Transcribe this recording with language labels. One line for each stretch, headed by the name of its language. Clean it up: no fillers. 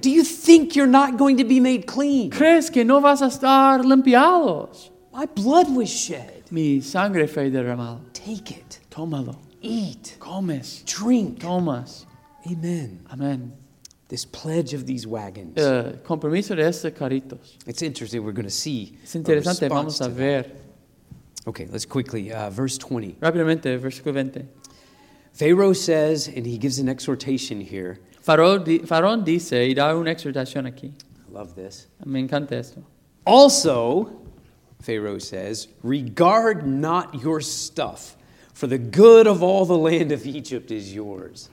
English: Do you think you're not going to be made clean?
Spanish: ¿Crees que no vas a estar limpiado?
English: My blood was shed.
Spanish: Mi sangre fue derramada.
English: Take it.
Spanish: Tómalo.
English: Eat.
Spanish: Comes.
English: Drink.
Spanish: Tomas.
English: Amen.
Spanish: Amen.
English: This pledge of these wagons.
Spanish: Compromiso de estos carritos.
English: It's interesting. We're going to see.
Spanish: Es interesante. Vamos a ver.
English: Okay, let's quickly, verse 20.
Spanish: Rápidamente, versículo 20.
English: Pharaoh says, and he gives an exhortation here.
Spanish: Faraón dice, y da una exhortación aquí.
English: I love this.
Spanish: Me encanta esto.
English: Also, Pharaoh says, regard not your stuff, For the good of all the land of Egypt is yours.